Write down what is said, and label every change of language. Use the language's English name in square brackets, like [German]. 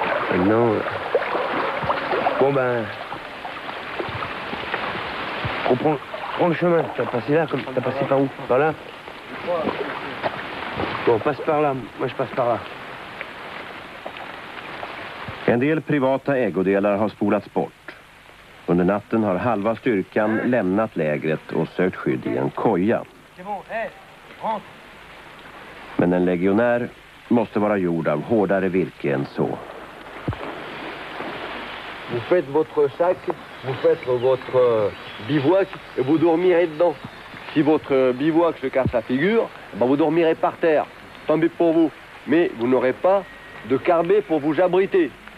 [French] Maintenant. Bon ben. Prends le chemin, t'as passé là, comme t'as passé par où? Par là? Bon, passe par là, moi je passe par là. [Swedish] En del privata ägodelar har spolats bort. Under natten har halva styrkan lämnat lägret och sökt skydd i en koja. Men en legionär måste vara gjord av hårdare virke än så. [French] Vous faites votre sac, vous faites votre bivouac et vous dormirez dedans. Si votre bivouac se casse la figure, ben vous dormirez par terre. Tant mieux pour vous, mais vous n'aurez pas de carbé pour vous abriter.